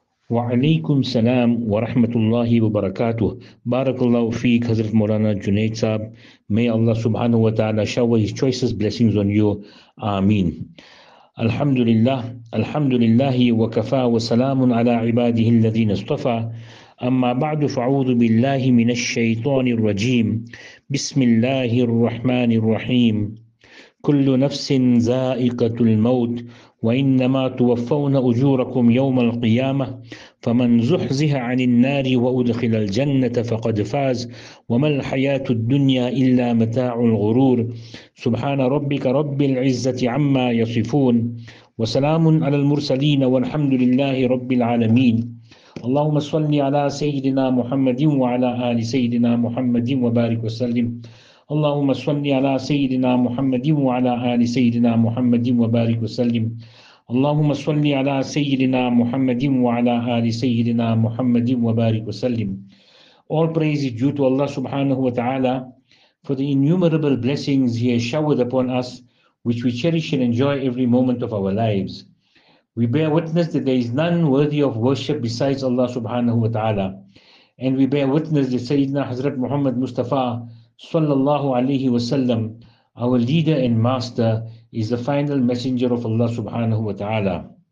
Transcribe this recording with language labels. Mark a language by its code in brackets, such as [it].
[ar] وعليكم السلام ورحمة الله وبركاته. بارك الله فيك حضرت مولانا جنيد صاحب. [en] May Allah subhanahu wa ta'ala shower his choicest blessings on you. [ar] آمين. الحمد لله الحمد لله وكفى وسلام على عباده الذين اصطفى. أما بعد فأعوذ بالله من الشيطان الرجيم. بسم الله الرحمن الرحيم. كل نفس ذائقة الموت وإنما توفون أجوركم يوم القيامة فمن زحزح عن النار وأدخل الجنة فقد فاز وما الحياة الدنيا إلا متاع الغرور. سبحان ربك رب العزة عما يصفون وسلام على المرسلين والحمد لله رب العالمين. اللهم صل على سيدنا محمد وعلى آل سيدنا محمد وبارك وسلم. اللهم صل على سيدنا محمد وعلى آل سيدنا محمد وبارك وسلم. اللهم صل على سيدنا محمد وعلى آل سيدنا محمد وبارك وسلم. [en] All praise is due to Allah subhanahu wa ta'ala for the innumerable blessings He has showered upon us, which we cherish and enjoy every moment of our lives. We bear witness that there is none worthy of worship besides Allah subhanahu wa ta'ala. And we bear witness that Sayyidina Hazrat Muhammad Mustafa sallallahu alayhi wa sallam, our leader and master, is the final messenger of Allah subhanahu wa ta'ala.